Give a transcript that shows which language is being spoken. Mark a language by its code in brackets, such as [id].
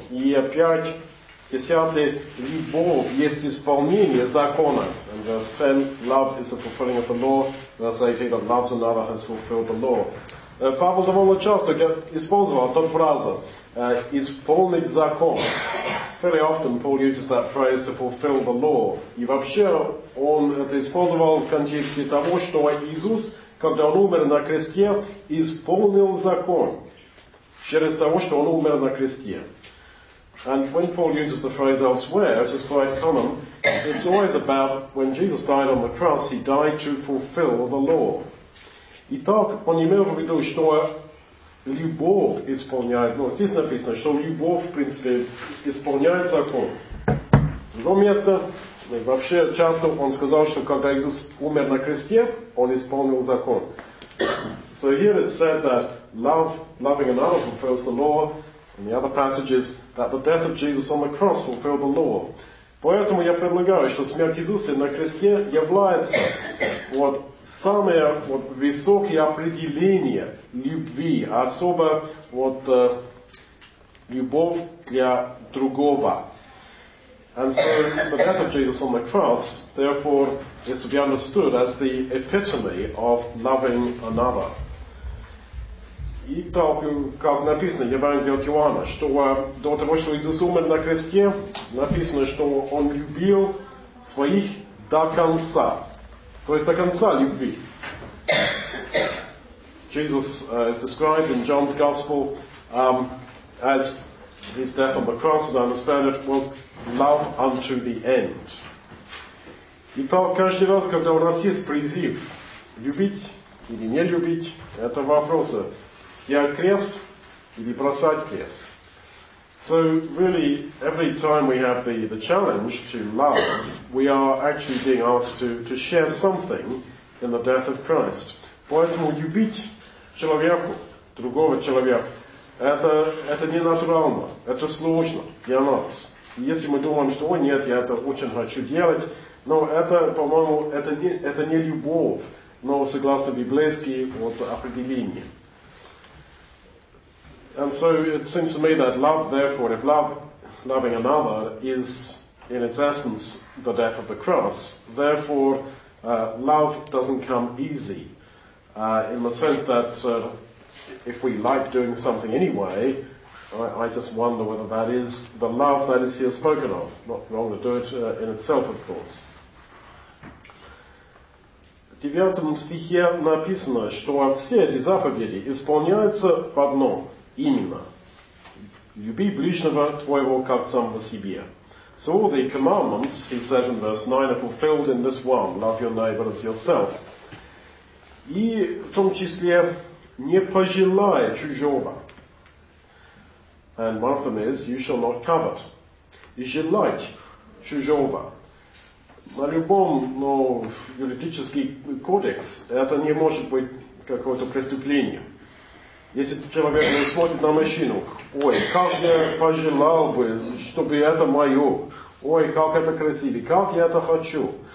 [ru] И опять 10-й, «Любовь есть исполнение закона». [en] And verse 10, «Love is the fulfilling of the law». Verse 18, «That loves another has fulfilled the law». [ru] Павел довольно часто использовал эту фразу «исполнить закон». [en] Fairly often Paul uses that phrase to fulfill the law. [ru] И вообще он это использовал в контексте того, что Иисус, когда он умер на кресте, исполнил закон через того, что он умер на кресте. [en] And when Paul uses the phrase elsewhere, which is quite common, it's always about when Jesus died on the cross, he died to fulfill the law. [ru] Итак, он имел в виду, что любовь исполняет, ну, здесь написано, что любовь, в принципе, исполняет закон. Другое место, вообще, часто он сказал, что когда Иисус умер на кресте, он исполнил закон. [en] So here it's said that love, loving another fulfills the law. In the other passages, that the death of Jesus on the cross fulfilled the law. [ru] Поэтому я предлагаю, что смерть Иисуса на кресте является вот самое вот высокое определение любви, особо вот любовь для другого. [en] And so the death of Jesus on the cross, therefore, is to be understood as the epitome of loving another. [ru] И так, как написано в Евангелии от Иоанна, что до того, что Иисус умер на кресте, написано, что Он любил своих до конца. То есть до конца любви. [en] Jesus is described in John's Gospel as his death on the cross, as I understand it, was love unto the end. [ru] И так, каждый раз, когда у нас есть призыв любить или не любить, это вопросы. Взять крест или бросать крест. [en] So really, every time we have the challenge to love, we are actually being asked to share something in the death of Christ. [ru] Поэтому любить человеку, другого человека, это не натурально, это сложно для нас. Если мы думаем, что ой, нет, я это очень хочу делать, но это, по-моему, это не любовь, но согласно библейски вот определение. [en] And so it seems to me that love, therefore, if love, loving another, is in its essence the death of the cross, therefore, love doesn't come easy. In the sense that if we like doing something anyway, I just wonder whether that is the love that is here spoken of. Not wrong to do it in itself, of course. [ru] В 9 стихе написано, что все эти заповеди исполняются в одном. Именно. Люби ближнего твоего, как самого себя. [en] So all the commandments, he says in verse 9, are fulfilled in this one. Love your neighbor as yourself. [ru] И в том числе, не пожелай чужого. [en] And one of them is, you shall not covet. [ru] И желать чужого. На любом, ну, юридический кодекс, это не может быть какое-то преступление. Если человек не смотрит на мужчину, ой, как я пожелал бы, чтобы это мое, ой, как это красиво, как я это хочу.